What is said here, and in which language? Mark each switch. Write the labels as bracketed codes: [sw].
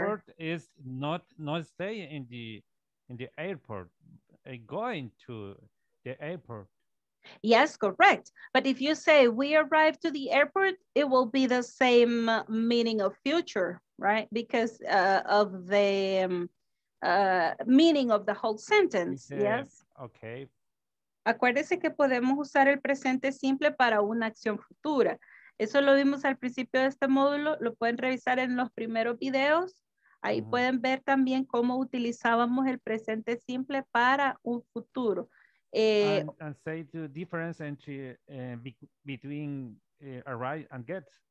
[en] Airport is not stay in the airport, going to the airport. Yes, correct. But if you say we arrive to the airport, it will be the same meaning of future, right? Because of the meaning of the whole sentence. Said, yes. Okay. [es] Acuérdese que podemos usar el presente simple para una acción futura. Eso lo vimos al principio de este módulo. Lo pueden revisar en los primeros videos. Ahí uh-huh. pueden ver también cómo utilizábamos el presente simple para un futuro. [en] And say the difference entre, between arrive and get.